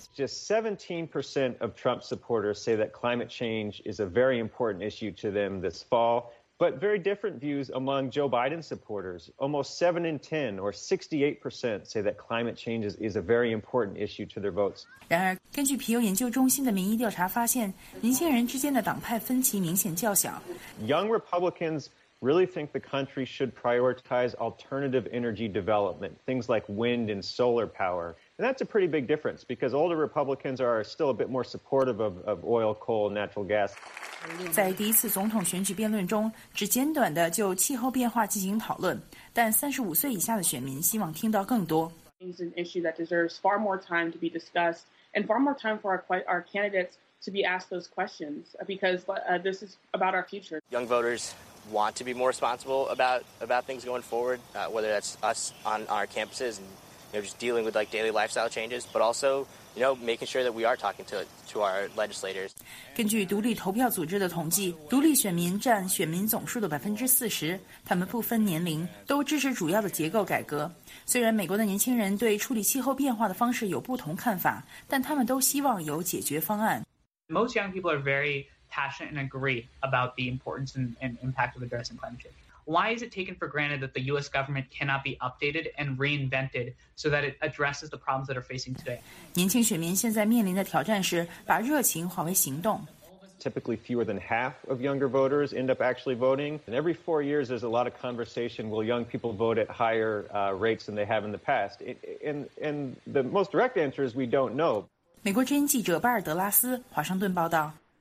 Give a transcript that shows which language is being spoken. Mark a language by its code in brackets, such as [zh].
[en] Just 17% of Trump supporters say that climate change is a very important issue to them this fall. But very different views among Joe Biden supporters. Almost 7 in 10, or 68%, say that climate change is a very important issue to their votes. [zh] 然而，根据皮尤研究中心的民意调查发现，年轻人之间的党派分歧明显较小。 [en] Young Republicans really think the country should prioritize alternative energy development, things like wind and solar power. And that's a pretty big difference because older Republicans are still a bit more supportive of oil, coal, natural gas. [zh] 在第一次总统选举辩论中，只简短地就气候变化进行讨论，但35岁以下的选民希望听到更多。 [en] It's an issue that deserves far more time to be discussed, and far more time for our candidates to be asked those questions, because this is about our future. Young voters want to be more responsible about things going forward, whether that's us on our campuses and, you know, just dealing with, like, daily lifestyle changes, but also, you know, making sure that we are talking to our legislators. [zh] 根据独立投票组织的统计，独立选民占选民总数的40%，他们不分年龄，都支持主要的结构改革。虽然美国的年轻人对处理气候变化的方式有不同看法，但他们都希望有解决方案。 [en] Most young people are very passionate and agree about the importance and impact of addressing climate change. Why is it taken for granted that the U.S. government cannot be updated and reinvented so that it addresses the problems that are facing today? [zh] 年轻选民现在面临的挑战是把热情化为行动。 [en] Typically fewer than half of younger voters end up actually voting. And every 4 years, there's a lot of conversation, will young people vote at higher rates than they have in the past? And the most direct answer is we don't know. [zh] 美国之音记者巴尔德拉斯，华盛顿报道。